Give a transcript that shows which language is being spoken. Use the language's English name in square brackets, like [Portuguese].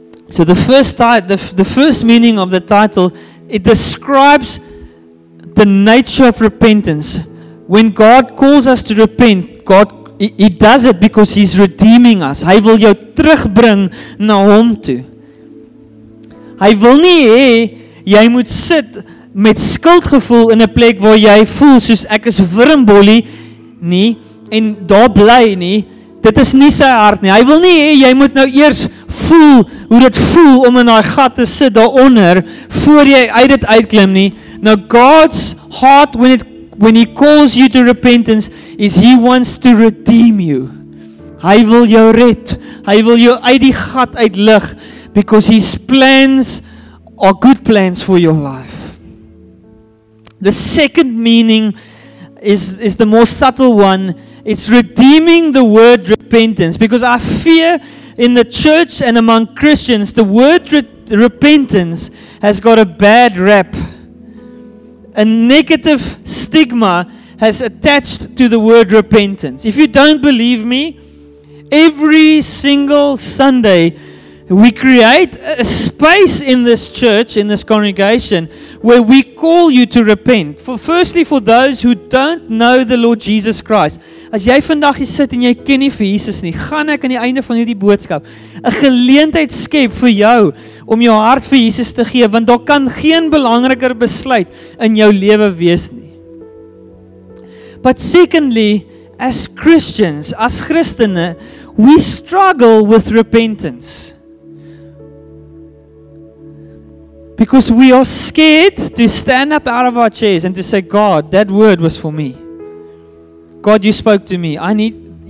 [English] So the first meaning of the title, it describes the nature of repentance. When God calls us to repent, God, He does it because He's redeeming us. [Afrikaans] Hy wil jou terugbring na Hom toe. Hy wil nie hê jy moet sit met skuldgevoel in 'n plek waar jy voel soos ek is wurmbolie nie. En daar bly nie. Dit is nie sy hart nie. Hy wil nie hê jy moet nou eers voel hoe dit voel om in daai gat te sit daaronder voor jy uit dit uitklim nie. [English] Now God's heart when he calls you to repentance is he wants to redeem you. [Afrikaans] Hy wil jou red. Hy wil jou uit die gat uitlig [English] because his plans are good plans for your life. The second meaning is the more subtle one. It's redeeming the word repentance because I fear in the church and among Christians the word repentance has got a bad rap. A negative stigma has attached to the word repentance. If you don't believe me, every single Sunday we create a space in this church, in this congregation, where we call you to repent. Firstly, for those who don't know the Lord Jesus Christ. [Afrikaans] As jy vandag hier sit en jy ken nie vir Jesus nie, gaan ek aan die einde van hierdie boodskap 'n geleentheid skep vir jou om jou hart vir Jesus te gee, want daar kan geen belangriker besluit in jou lewe wees nie. [English] But secondly, as Christians, as Christene, we struggle with repentance. Because we are scared to stand up out of our chairs and to say, God, that word was for me. God, you spoke to me. I need...